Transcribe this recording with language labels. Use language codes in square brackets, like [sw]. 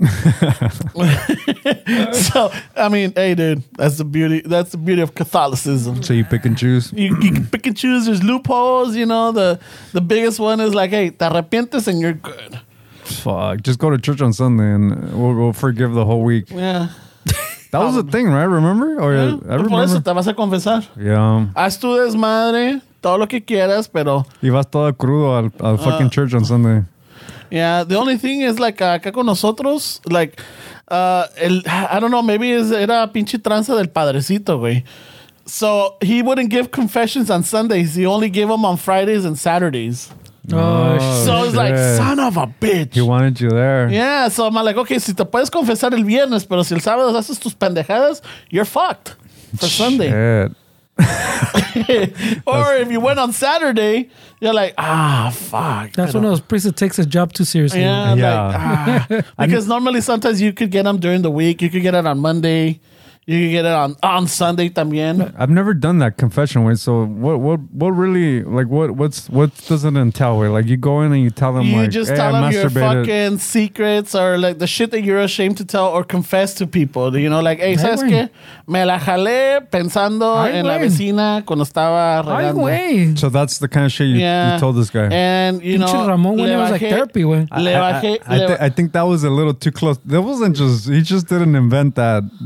[en] So I mean, hey dude, that's the beauty, that's the beauty of Catholicism. So you pick and choose. You can pick and choose. There's loopholes, you know. The biggest one is like, hey, [es] te arrepientes [en] and you're good. Fuck, just go to church on Sunday and we'll forgive the whole week. Yeah. That was a thing, right? Remember? Or yeah, I remember. [es] Por eso te vas a confesar. [en] Yeah. [es] Haz tu desmadre, todo lo que quieras, pero... Y vas todo crudo al fucking [en] church on Sunday. Yeah, the only thing is, like, [es] acá con nosotros, [en] like, I don't know, maybe [es] era pinche tranza del padrecito, güey. [en] So, he wouldn't give confessions on Sundays. He only gave them on Fridays and Saturdays. Oh, so it's like, son of a bitch. He wanted you there. Yeah, so I'm like, okay, [es] si te puedes confesar el viernes, pero si el sábado haces tus pendejadas, [en] you're fucked for shit. Sunday. Or if you went on Saturday, you're like, fuck. That's one of those priests that takes his job too seriously. Yeah. Like, because normally sometimes you could get them during the week. You could get it on Monday. You could get it on Sunday también. I've never done that confession way. So what really, like, what does it entail? Way? Like, you go in and you tell them, you like, just tell them your fucking secrets or like the shit that you're ashamed to tell or confess to people. You know, like, hey, [es] ¿sabes qué? Me la jalé pensando en la vecina cuando estaba regando. [en] So that's the kind of shit you told this guy. And, you know, Ramón, when it was like therapy, way. I think that was a little too close. That wasn't just, he just didn't invent that.